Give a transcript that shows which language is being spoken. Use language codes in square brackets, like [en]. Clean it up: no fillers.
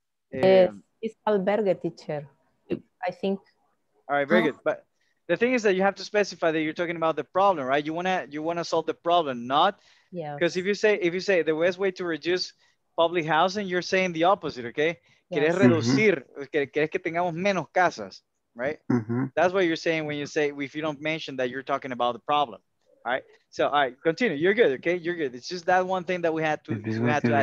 [en] It's albergue, teacher. I think. All right, very good. But the thing is that you have to specify that you're talking about the problem, right? You wanna solve the problem, not. Yeah. Because if you say the best way to reduce public housing, you're saying the opposite, okay? Yes. [es] Quieres reducir, quieres que tengamos menos casas, [en] right? Mm-hmm. That's what you're saying when you say, if you don't mention that you're talking about the problem. All right, so all right, continue. You're good, okay? You're good. It's just that one thing that we had to add.